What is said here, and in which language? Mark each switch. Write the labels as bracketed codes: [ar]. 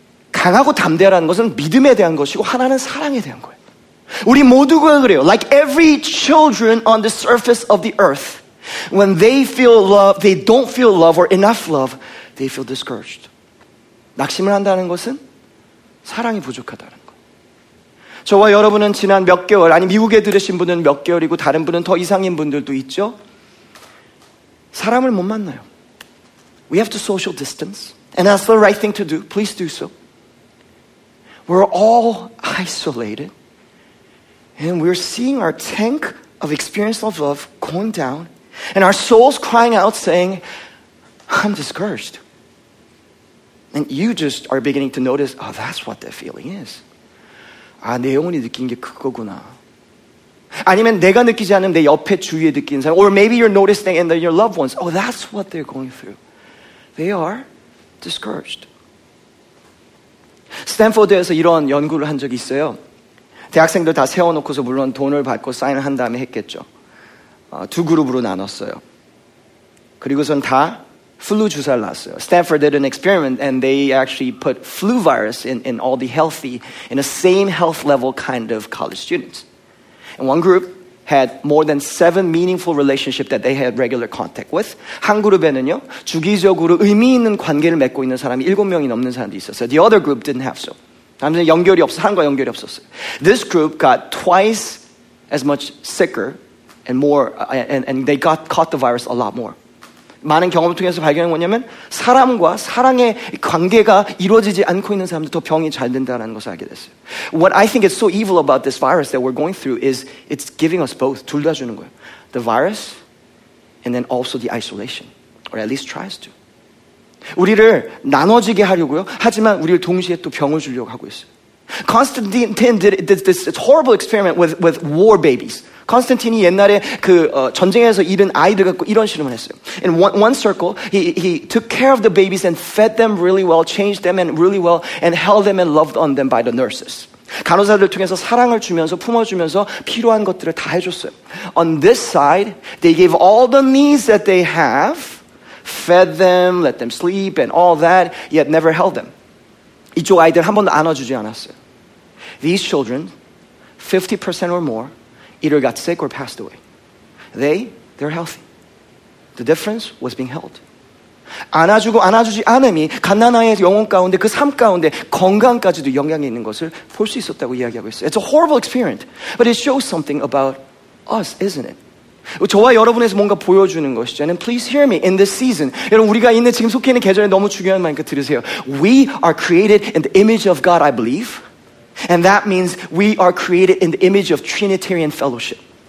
[ko] 강하고 담대하라는 것은 믿음에 대한 것이고 하나는 사랑에 대한 거예요. 우리 모두가 그래요. [en] Like every children on the surface of the earth, when they feel love, they don't feel love or enough love, they feel discouraged. [ko] 낙심을 한다는 것은 사랑이 부족하다는 거. 저와 여러분은 지난 몇 개월, 아니 미국에 들으신 분은 몇 개월이고 다른 분은 더 이상인 분들도 있죠. 사람을 못 만나요. [en] We have to social distance. And that's the right thing to do. Please do so. We're all isolated, and we're seeing our tank of experience of love going down, and our souls crying out saying, I'm discouraged. And you just are beginning to notice, oh, that's what that feeling is. [ko] 아, 내 영혼이 느낀 게 그거구나. 아니면 내가 느끼지 않는 내 옆에 주위에 느낀 사람. [en] Or maybe you're noticing in your loved ones, oh, that's what they're going through. They are discouraged. [ko] 스탠포드에서 이런 연구를 한 적이 있어요. 대학생들 다 세워놓고서 물론 돈을 받고 사인을 한 다음에 했겠죠. 두 그룹으로 나눴어요. 그리고선 다 플루 주사를 놨어요. [en] Stanford did an experiment and they actually put flu virus in all the healthy, in the same health level kind of college students. And one group had more than 7 meaningful relationships that they had regular contact with. [ko] 한 그룹에는요, 주기적으로 의미 있는 관계를 맺고 있는 사람이 7명이 넘는 사람도 있었어요. [en] The other group didn't have so. [ko] 아무튼 연결이 없어, 한 거 연결이 없었어요. [en] This group got twice as much sicker and more, and they got caught the virus a lot more. [ko] 많은 경험을 통해서 발견한 뭐냐면 사람과 사랑의 관계가 이루어지지 않고 있는 사람도 더 병이 잘 된다는 것을 알게 됐어요. [en] What I think is so evil about this virus that we're going through is it's giving us both, [ko] 둘 다 주는 거예요. [en] The virus and then also the isolation, or at least tries to. [ko] 우리를 나눠지게 하려고요. 하지만 우리를 동시에 또 병을 주려고 하고 있어요. [en] Constantine did this horrible experiment with war babies. [ko] 콘스탄틴이 옛날에 그 전쟁에서 잃은 아이들 갖고 이런 실험을 했어요. [en] In one circle, he took care of the babies and fed them really well, changed them and really well, and held them and loved on them by the nurses. [ko] 간호사들 통해서 사랑을 주면서 품어주면서 필요한 것들을 다 해줬어요. [en] On this side, they gave all the needs that they have, fed them, let them sleep and all that, yet never held them. [ko] 이쪽 아이들 한 번도 안아주지 않았어요. [en] These children, 50% or more, either got sick or passed away. They're healthy. The difference was being held. [ko] 안아주고 안아주지 않음이 갓난아이의 영혼 가운데 그 삶 가운데 건강까지도 영향이 있는 것을 볼 수 있었다고 이야기하고 있어요. [en] It's a horrible experience, but it shows something about us, isn't it? [ko] 저와 여러분에서 뭔가 보여주는 것이죠. [en] And please hear me. In this season, [ko] 여러분 우리가 있는 지금 속해 있는 계절에 너무 중요한 말이니까 들으세요. [en] We are created in the image of God, I believe. And that means we are created in the image of Trinitarian fellowship.